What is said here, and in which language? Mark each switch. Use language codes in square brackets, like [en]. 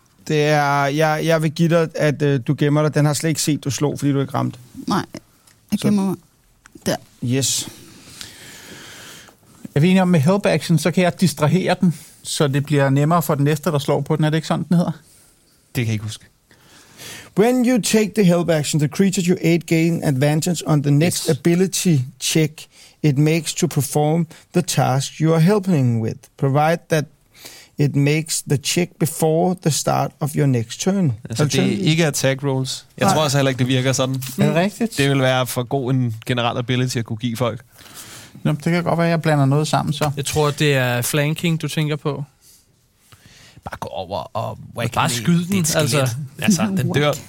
[da] Det er, jeg vil give dig, at du gemmer dig. Den har slet ikke set, du slog, fordi du ikke ramte. Nej, jeg gemmer mig. Der. [en] Yes. [da] Er vi enige om med help action, så kan jeg distrahere den. Så det bliver nemmere for den næste, der slår på den. Er det ikke sådan, den hedder? Det kan jeg ikke huske. [en] When you take the help action, the creature you aid gain advantage on the next ability check it makes to perform the task you are helping with. Provide that it makes the check before the start of your next turn. [da] Altså, det er ikke attack rolls. Jeg tror også heller ikke, det virker sådan. Er det rigtigt? Det vil være for god en general ability at kunne give folk. Nå, det kan godt være, at jeg blander noget sammen, så. Jeg tror, det er flanking, du tænker på. Bare gå over og... Bare skyd den, altså. Altså, den dør. Den